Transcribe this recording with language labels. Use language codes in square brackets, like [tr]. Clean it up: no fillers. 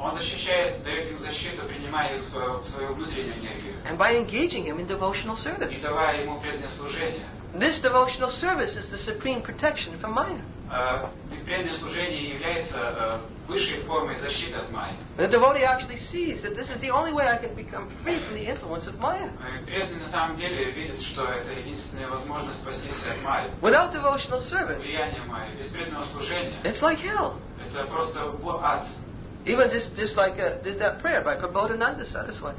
[ru] Он защищает, дает им защиту, принимая их в свою внутреннюю энергию. [en] And by engaging him in devotional service. [ru] И давая ему преданное служение. [en] This devotional service is the supreme protection from Maya. [ru] Преданное служение является высшей формой защиты от Майи. [en] The devotee actually sees that this is the only way I can become free from the influence of Maya. [ru] Преданный на самом деле видит, что это единственная возможность спастись от Майи. [en] Without devotional service. [ru] Влияние Майи, без преданного служения. [en] It's like hell. [ru] Это просто ад. [en] Even just like there's that prayer by Prabodhananda Saraswati.